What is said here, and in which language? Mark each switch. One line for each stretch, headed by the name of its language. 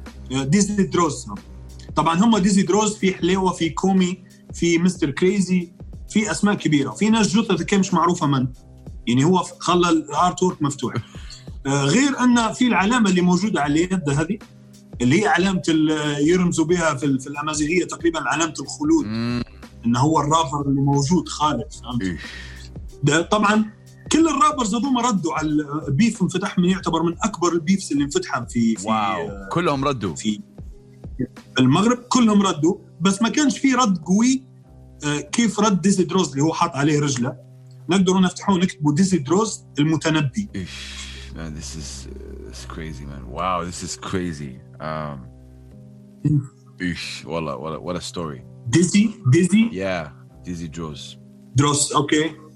Arabic: ديزني دروز طبعا هم ديزي دروز في حليوة في كومي في مستر كريزي في اسماء كبيره في ناس جثث مش معروفه من يعني هو خلى الارت وورك مفتوح غير ان في العلامه اللي موجوده على اليد هذه اللي هي علامه اللي يرمزوا بها في في الامازيغيه تقريبا علامه الخلود ان هو الرابر اللي موجود خالد فهمت طبعا كل الرابرز هذوما ردوا على البيف انفتح من يعتبر من اكبر البيفس اللي انفتحت في, في واو كلهم ردوا في المغرب كلهم ردوا بس ما كانش في رد قوي كيف رد ديزي دروز اللي هو حاط عليه رجلة نقدروا نفتحه ونكتبوا ديزي دروز المتنبي
English: إيش man this is it's crazy man wow this is crazy إيش
Arabic: والله والله
English: what a story
Arabic: ديزي
English: yeah ديزي دروز دروز أوكي okay.